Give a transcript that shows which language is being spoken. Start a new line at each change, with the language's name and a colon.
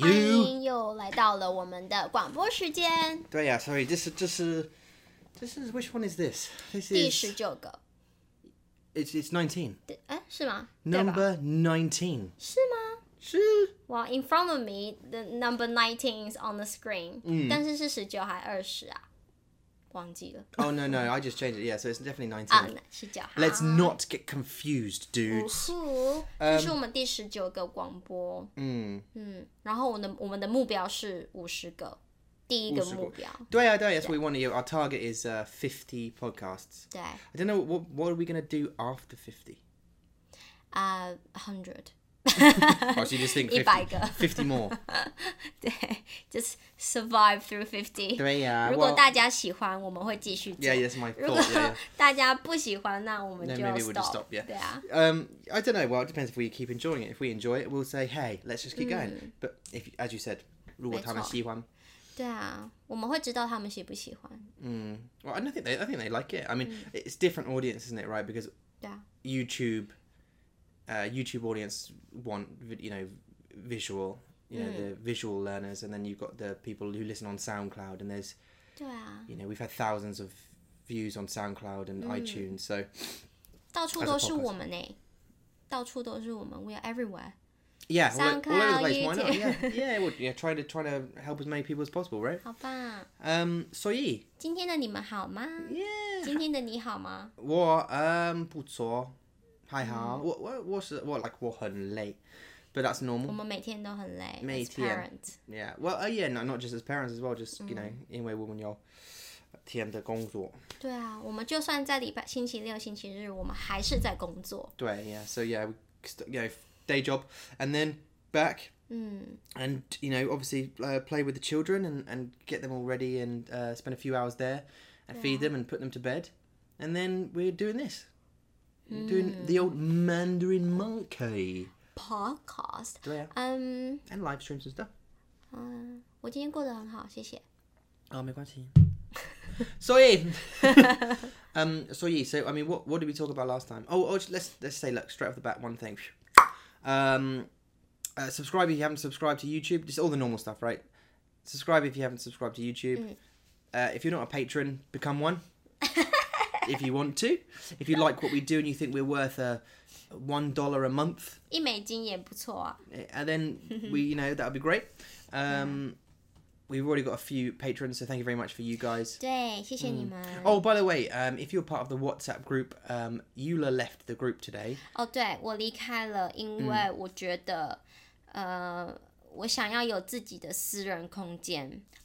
Chinese: 欢迎又来到了我们的广播时间。对呀、
English: 啊、，Sorry, this is which one is this? This is
Chinese: 第十九个。
English: It's 19.
Chinese: 哎，是吗
English: ？Number 19.
Chinese: 是吗？是。
English: Well, in front of me, the number 19 is on the screen.、嗯、
Chinese: 但是是十九还二十啊？忘记了。
English: Oh no, I just changed it. Yeah, so it's definitely 19.
Chinese: 啊，十九。
English: Let's not get confused, dudes.
Chinese: 呜呼，这是我们第十九个广播。嗯嗯，然后我们的目标是五十个。第一個目標。对啊，对啊，
English: that's what we want to do. Our target is 50 podcasts.
Chinese: 对。
English: I don't know, what are we going to do after 50? 100. Oh, so you just think 50, 100
Chinese: 个
English: 50 more.
Chinese: 对，
English: just survive through 50.
Chinese: 对啊。如果大家喜欢，我们会继续做。
English: Yeah, that's my thought.
Chinese: 如果大家不喜欢，那我们就
English: stop. No, maybe we'll just stop, yeah.
Chinese: 对啊。
English: I don't know, well, it depends if we keep enjoying it. If we enjoy it, we'll say, hey, let's just keep going. But if, as you said,
Chinese: 如果他们喜欢。对啊，我们会知道他们喜不喜欢。
English: 嗯 ，Well, I think they like it. I mean,、嗯、it's different audience, isn't it? Right? Because YouTube audience want visual, the visual learners, and then you've got the people who listen on SoundCloud, and there's,
Chinese: 对啊
English: we've had thousands of views on SoundCloud and、嗯、iTunes, so
Chinese: 到处都是我们呢，到处都是我们 ，
English: We are everywhere. Yeah, all over the place, why not? Yeah, it would. Yeah, try to help as many people as possible, right?
Chinese: 好棒。所以。今天的你们好吗？
English: Yeah.
Chinese: 今天的你好吗？我不错，还好。嗯、我很累 ，
English: but that's normal.
Chinese: 我们每天都很累。每天。
English: As parents. Yeah. Well, no, not just as parents as well. Just、
Chinese: 嗯、因为我们有天的工作。对啊，我们就算在礼拜、星期六、星期日，我们还是在工作。对
English: ，Yeah. So yeah, day job and then back、 mm. and obviously、play with the children and get them all ready and、spend a few hours there and、 yeah. feed them and put them to bed and then we're doing this、mm. doing the old Mandarin Monkey podcast、
Chinese: 对啊、
English: and live streams and stuff、
Chinese: 我今天过得很好谢谢
English: 哦、oh,
Chinese: 没关系所以
English: I mean what did we talk about last time let's say look straight off the bat one thingSubscribe if you haven't subscribed to YouTube. Just all the normal stuff, right? Subscribe if you haven't subscribed to YouTube.、 Mm. If you're not a patron, become one. If you want to. If you like what we do and you think we're worth $1 a month.
Chinese: 一美金也不错啊。
English: And then, that would be great. We've already got a few patrons, so thank you very much for you guys.
Chinese: 对，谢谢你们。 Mm.
English: Oh, by the way, if you're part of the WhatsApp group, Eula left the group today.
Chinese: 哦、oh, ，对，我离开了，因为我觉得、mm. 我想要有自己的私人空间。